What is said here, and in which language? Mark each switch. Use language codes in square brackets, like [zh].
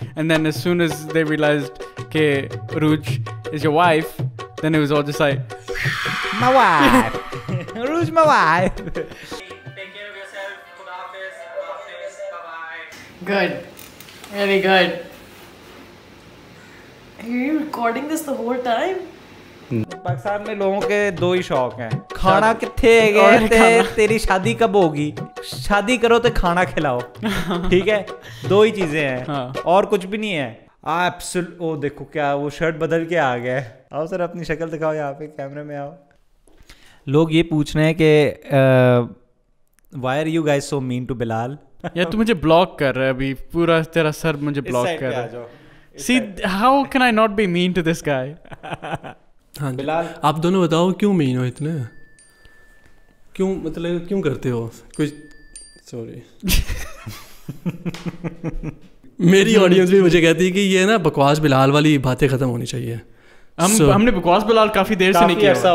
[en] And then as soon as they realized ke Rooj is your wife, then it was all just like my wife. Rooj my wife. Good. Very good. Are you recording this the whole time? [hi] Pakistan में लोगों के दो ही शौक हैं। खाना कितने गए थे? तेरी शादी कब होगी? शादी करो तो खाना खिलाओ। ठीक है? दो ही चीजें हैं। और कुछ भी नहीं है। ओ देखो क्या वो शर्ट बदल के आ गए। आओ सर अपनी शक्ल दिखाओ यहाँ पे कैमरे में आओ। लोग ये पूछ रहे हैं कि [en] Why are you guys so mean to Bilal? [hi] यार तू मुझे ब्लॉक कर रहा है अभी पूरा तेरा सर मुझे ब्लॉक कर रहा है। [en] See how can I not be mean to this guy? [hi] हाँ बिलाल आप दोनों बताओ क्यों मीन हो इतने क्यों मतलब क्यों करते हो कुछ सॉरी मेरी ऑडियंस भी मुझे कहती है कि ये ना बकवास बिलाल वाली बातें खत्म होनी चाहिए हम so, हमने बकवास बिलाल काफी देर से नहीं किया